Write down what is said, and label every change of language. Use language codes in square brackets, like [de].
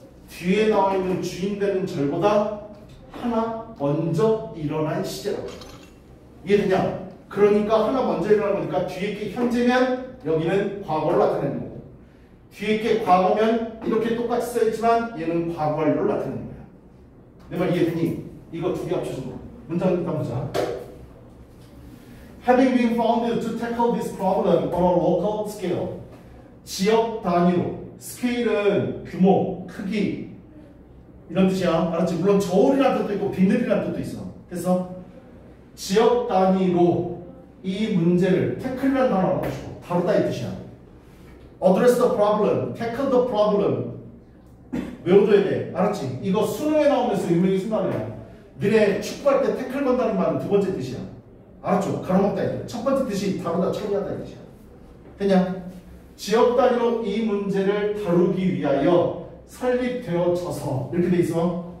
[ko] 뒤에 나와 있는 주인 되는 절보다 하나 먼저 일어난 시제라고. 이해되냐? 그러니까 하나 먼저 일어난 거니까 뒤에 게 현재면 여기는 과거를 나타내는 거고 뒤에 게 과거면 이렇게 똑같이 써있지만 얘는 과거 완료를 나타내는 거야. 내 말 이해되니? 이거 두 개 합쳐서 문장 일단 보자. [en] Having been founded to tackle this problem on a local scale. [ko] 지역 단위로 스케일은 규모, 크기 이런 뜻이야. 알았지? 물론 저울이라는 뜻도 있고 비늘이라는 뜻도 있어. 그래서 지역 단위로 이 문제를 태클이라는 단어 알아보시고 다루다 이 뜻이야. [en] Address the problem, tackle the problem [ko] 외워둬야 돼. 알았지? 이거 수능에 나오면서 유명히 쓴 말이야. 너네 축구할 때 태클 건다는 말은 두 번째 뜻이야. 알았죠? 가로막다 이거. 첫 번째 뜻이 다루다, 처리하다 이 뜻이야. 됐냐? 지역 단위로 이 문제를 다루기 위하여 설립되어져서 이렇게 돼 있어.